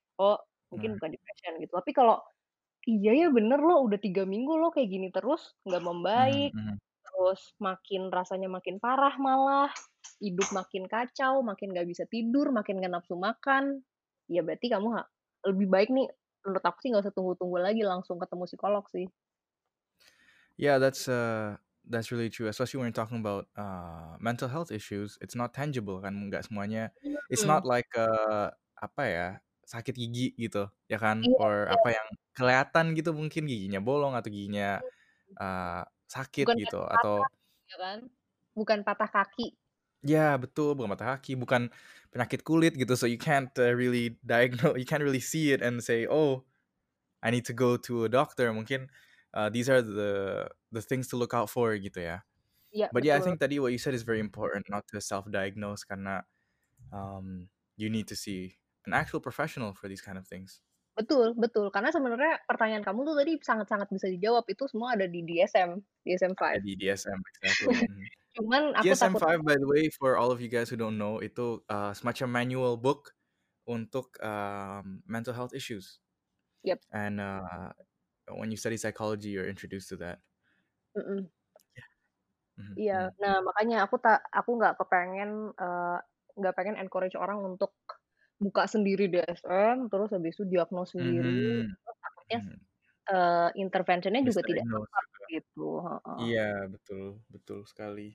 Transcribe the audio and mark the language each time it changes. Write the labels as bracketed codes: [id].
[id] Oh mungkin mm-hmm. bukan depression gitu. Tapi kalau, iya ya bener loh, udah 3 minggu loh kayak gini terus. Enggak membaik. Mm-hmm. Terus makin rasanya makin parah malah. Hidup makin kacau, makin enggak bisa tidur, makin enggak nafsu makan. Ya berarti kamu lebih baik nih. Menurut aku sih gak usah tunggu-tunggu lagi, langsung ketemu psikolog sih. [en] Yeah, that's really true. Especially when you're talking about mental health issues, it's not tangible [id] kan, gak semuanya. [en] It's not like [id] apa ya, sakit gigi gitu, ya kan? [en] Yeah, or yeah. [id] Apa yang kelihatan gitu, mungkin giginya bolong atau giginya sakit bukan gitu patah, atau ya kan? Bukan patah kaki. [en] Yeah, [id] betul, bukan patah kaki, bukan penyakit kulit gitu. [en] So you can't really diagnose, you can't really see it and say, oh, I need to go to a doctor. [id] Mungkin [en] these are the things to look out for [id] gitu ya. [en] Yeah, but yeah, I think [id] tadi [en] what you said is very important, not to self-diagnose [id] karena [en] you need to see an actual professional for these kind of things. [id] Betul. Karena sebenarnya pertanyaan kamu tuh tadi sangat-sangat bisa dijawab. Itu semua ada di DSM, DSM-5. Di DSM, [en] exactly. [id] Cuman aku [en] DSM-5, by the way, for all of you guys who don't know, [id] itu semacam [en] manual book [id] untuk [en] mental health issues. Yep. And when you study psychology, you're introduced to that. Mm-mm. Yeah. Mm-hmm. [id] Yeah. Nah, makanya aku nggak kepengen nggak pengen encourage orang untuk buka sendiri DSM, terus habis itu diagnose sendiri. Mm-hmm. Takutnya intervention-nya juga tidak gitu. Iya, betul sekali.